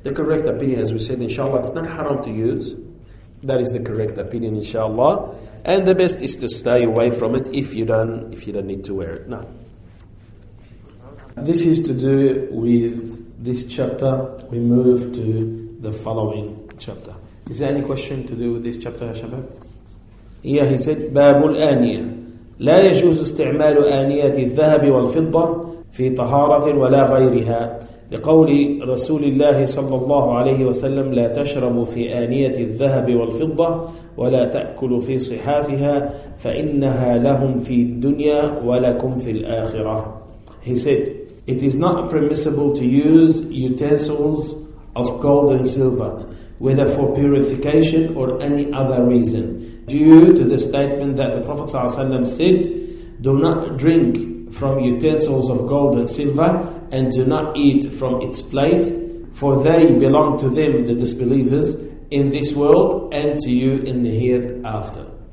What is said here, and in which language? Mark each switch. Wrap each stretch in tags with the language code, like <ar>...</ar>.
<en>The correct opinion, as we said, inshallah, it's not haram to use. That is the correct opinion, inshallah. And the best is to stay away from it if you don't need to wear it. No. This is to do with this chapter. We move to the following chapter. Is there any question to do with this chapter, Shabab? Yeah, he said,</en> <ar>بَابُ الْآنِيَةِ لَا يَجُوزُ اسْتِعْمَالُ آنِيَةِ الذَّهَبِ وَالْفِضَّةِ فِي طَهَارَةٍ وَلَا غَيْرِهَا لقول رسول الله صلى الله عليه وسلم لا تشرب في آنية الذهب والفضة ولا تأكل في صحافها فإنها لهم في الدنيا ولكم في الآخرة.</ar> <en>He said, it is not permissible to use utensils of gold and silver, whether for purification or any other reason, due to the statement that the Prophet ﷺ said, do not drink from utensils of gold and silver, and do not eat from its plate, for they belong to them, the disbelievers, in this world, and to you in the hereafter.</en>